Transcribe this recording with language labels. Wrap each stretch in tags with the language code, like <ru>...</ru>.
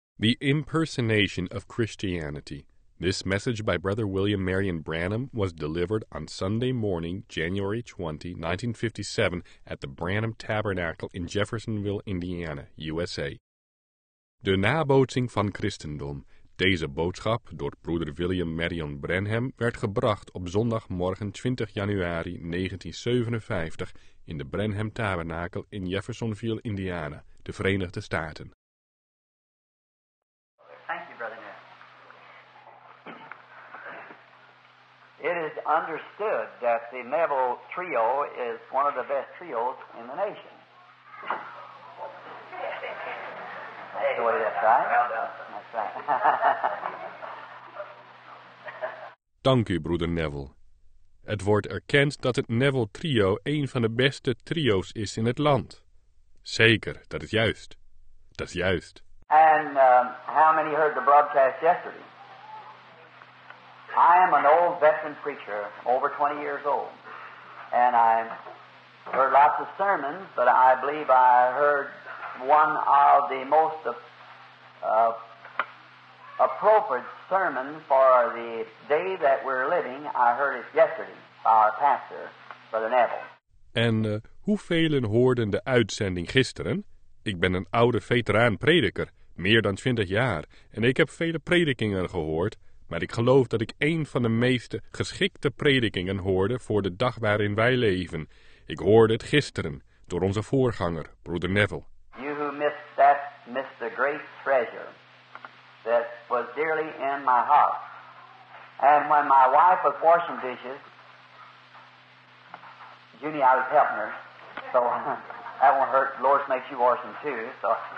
<en>The Impersonation of Christianity. This message by Brother William Marion Branham was delivered on Sunday morning, January 20, 1957, at the Branham Tabernacle in Jeffersonville, Indiana, USA.</en> <nl>De nabootsing van Christendom. Deze boodschap door broeder William Marion Branham werd gebracht op zondagmorgen 20 januari 1957 in de Branham Tabernacle in Jeffersonville, Indiana, de Verenigde Staten.</nl> <en>It is understood that the Neville Trio is one of the best trios in the nation. That's the way that's right. Well done. That's right.</en> <nl>Dank u, broeder Neville. Het wordt erkend dat het Neville Trio een van de beste trio's is in het land. Zeker, dat is juist. Dat is juist.</nl> <en>And how many heard the broadcast yesterday? I am an old veteran preacher, over 20 years old, and I heard lots of sermons, but I believe I heard one of the most appropriate sermons for the day that we're living. I heard it yesterday, our pastor, Brother Neville.</en> <nl>En hoeveelen hoorden de uitzending gisteren? Ik ben een oude veteraan prediker, meer dan 20 jaar, en ik heb vele predikingen gehoord. Maar ik geloof dat ik een van de meeste geschikte predikingen hoorde voor de dag waarin wij leven. Ik hoorde het gisteren door onze voorganger, broeder Neville.</nl> <en>You who missed that, missed the great treasure that was dearly in my heart. And when my wife was washing dishes, Junie, I was helping her, so that won't hurt. The Lord makes you wash them too, so.</en>